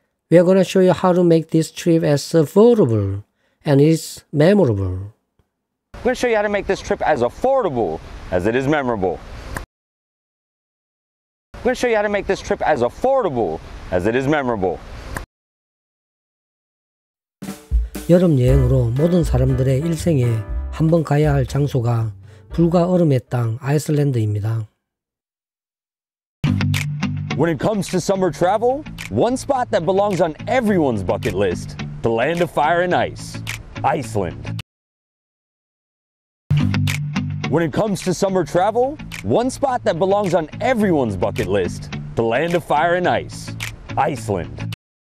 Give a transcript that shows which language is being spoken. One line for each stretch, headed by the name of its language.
English: We are going to show you how to make this trip as affordable and it is memorable. I'm going to show you how to make this trip as affordable as it is memorable. I'm going to show you how to make this trip as affordable as it is memorable.
Korean: 여름 여행으로 모든 사람들의 일생에 한번 가야 할 장소가 불과 얼음의 땅 아이슬란드입니다.
English: When it comes to summer travel, one spot that belongs on everyone's bucket list, the land of fire and ice, Iceland. When it comes to summer travel, one spot that belongs on everyone's bucket list, the land of fire and ice, Iceland.